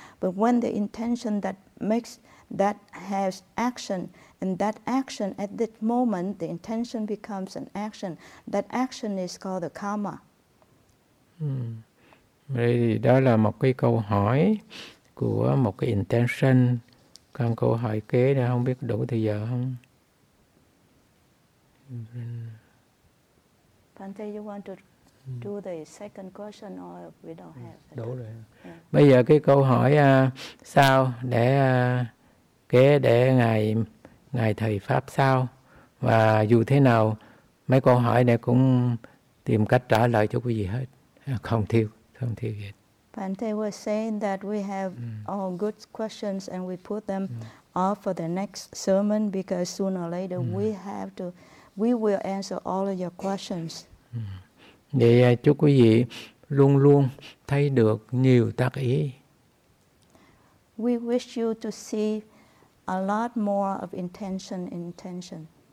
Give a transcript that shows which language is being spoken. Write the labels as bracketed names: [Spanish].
[English] But when the intention that makes that has action, and that action at that moment, the intention becomes an action. That action is called the karma. [Vietnamese] Vậy thì đó là một cái câu hỏi của một cái intention. Còn câu hỏi kế nữa, không biết đủ thời giờ không? [English] Bhante, you want to do the second question or we don't have? [Vietnamese] Đủ rồi. Yeah. Bây giờ cái câu hỏi sao để kế để ngài thầy pháp sao, và dù thế nào mấy câu hỏi này cũng tìm cách trả lời cho quý vị hết, không thiếu. [English] Bhante was saying that we have all good questions and we put them off for the next sermon, because sooner or later we will answer all of your questions. [Vietnamese] Vậy chúc quý vị luôn luôn thấy được nhiều tác ý. [English] We wish you to see a lot more of intention.